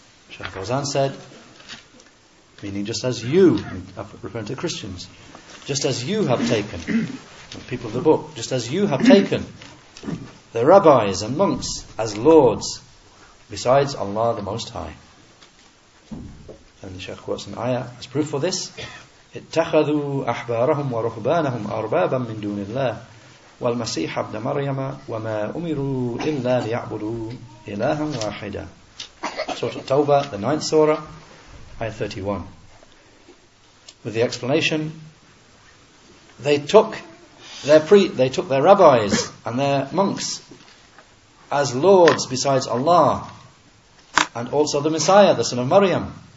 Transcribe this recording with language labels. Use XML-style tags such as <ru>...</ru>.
<en>Shaykh Fawzan said, meaning just as you, referring to Christians, just as you have taken, the people of the book, just as you have taken the rabbis and monks as lords besides Allah the Most High. And the Shaykh quotes an ayah as proof for this.</en> <ar>اتخذوا أحبارهم ورهبانهم أربابا من دون الله والمسيح ابن مريم وما أمروا إلا ليعبدوا إلها واحدا.</ar> <en>Surah At-Tawbah, the 9th surah, ayah 31. With the explanation, they took their rabbis and their monks as lords besides Allah, and also the Messiah, the son of Maryam.</en>